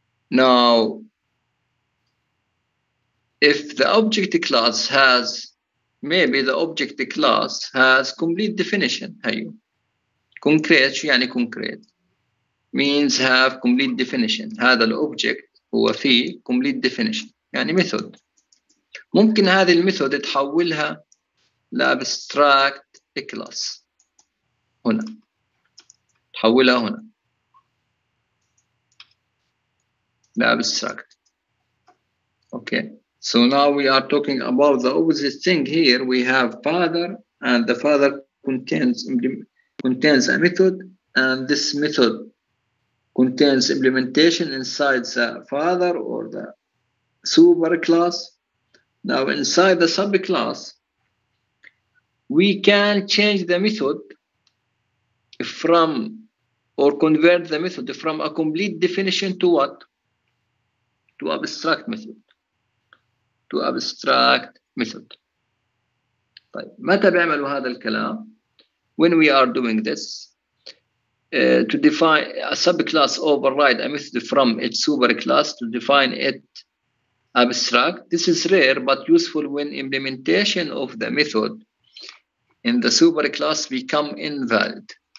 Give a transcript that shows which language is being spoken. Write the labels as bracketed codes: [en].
[en] Now, if the object class has, maybe the object class has complete definition, concrete, يعني concrete, means have complete definition. [ar] هذا الobject هو فيه [en] complete definition, [ar] يعني method. ممكن هذه الميثود تحولها لابستراكت كلاس هنا تحولها هنا [en] the abstract. Okay, so now we are talking about the opposite thing here. We have father, and the father contains a method, and this method contains implementation inside the father or the superclass. Now inside the subclass, we can change the method from, or convert the method from a complete definition to what? To abstract method. To abstract method. [ar] طيب, متى بيعملوا هذا الكلام? [en] When we are doing this, to define a subclass override a method from its superclass to define it abstract. This is rare but useful when implementation of the method in the superclass become invalid.